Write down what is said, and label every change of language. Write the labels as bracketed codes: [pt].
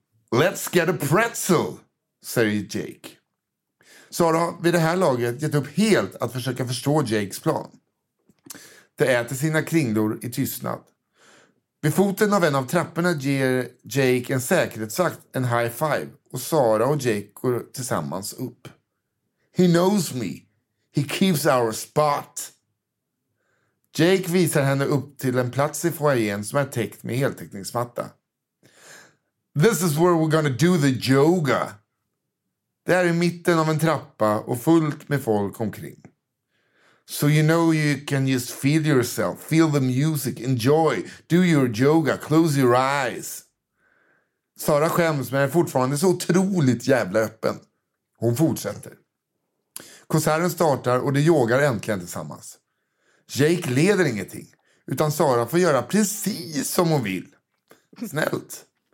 [en] Let's get a pretzel, [sv] säger Jake. Sara vid det här laget gett upp helt att försöka förstå Jakes plan. De äter sina kringlor i tystnad. Vid foten av en av trapporna ger Jake en säkerhetsvakt en high five och Sara och Jake går tillsammans upp. [en] He knows me. He keeps our spot. [sv] Jake visar henne upp till en plats i foajén som är täckt med heltäckningsmatta. [en] This is where we're gonna do the yoga. [sv] Det är i mitten av en trappa och fullt med folk omkring. [en] So you know you can just feel yourself, feel the music, enjoy, do your yoga, close your eyes. [sv] Sara skäms men är fortfarande så otroligt jävla öppen. Hon fortsätter. Konserten startar och de yogar äntligen tillsammans. Jake leder ingenting, utan Sara får göra precis som hon vill. Snällt.